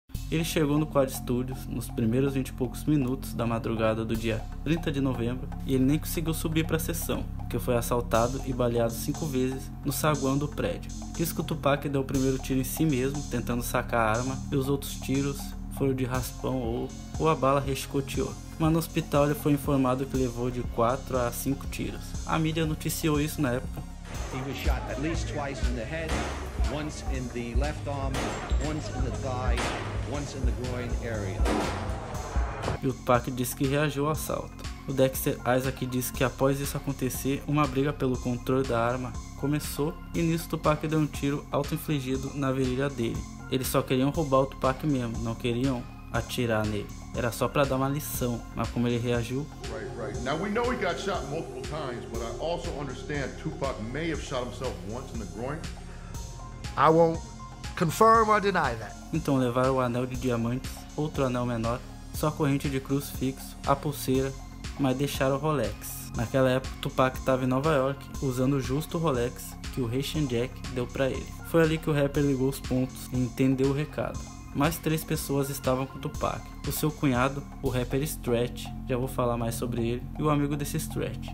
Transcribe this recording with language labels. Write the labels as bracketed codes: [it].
[pt] Ele chegou no Quad Studios nos primeiros 20 e poucos minutos da madrugada do dia 30 de novembro e ele nem conseguiu subir para a sessão, porque foi assaltado e baleado 5 vezes no saguão do prédio. Diz que o Tupac deu o primeiro tiro em si mesmo, tentando sacar a arma, e os outros tiros foram de raspão ou a bala rechicoteou. Mas no hospital ele foi informado que levou de 4 a 5 tiros. A mídia noticiou isso na época. [en] He was shot at least twice in the head, once in the left arm, once in the thigh, once in the groin area. [pt] E o Tupac disse que reagiu ao assalto. O Dexter Isaac disse que após isso acontecer, uma briga pelo controle da arma começou e nisso Tupac deu um tiro auto-infligido na virilha dele. Eles só queriam roubar o Tupac mesmo, não queriam atirar nele. Era só pra dar uma lição, mas como ele reagiu... [en] Right, right. Now we know he got shot multiple times, but I also understand Tupac may have shot himself once in the groin. I won't confirm or deny that. [pt] Então levaram o anel de diamantes, outro anel menor, só a corrente de crucifixo, a pulseira, mas deixaram o Rolex. Naquela época, Tupac estava em Nova York, usando justo o Rolex que o Haitian Jack deu pra ele. Foi ali que o rapper ligou os pontos e entendeu o recado. Mais 3 pessoas estavam com Tupac: o seu cunhado, o rapper Stretch, já vou falar mais sobre ele, e o amigo desse Stretch.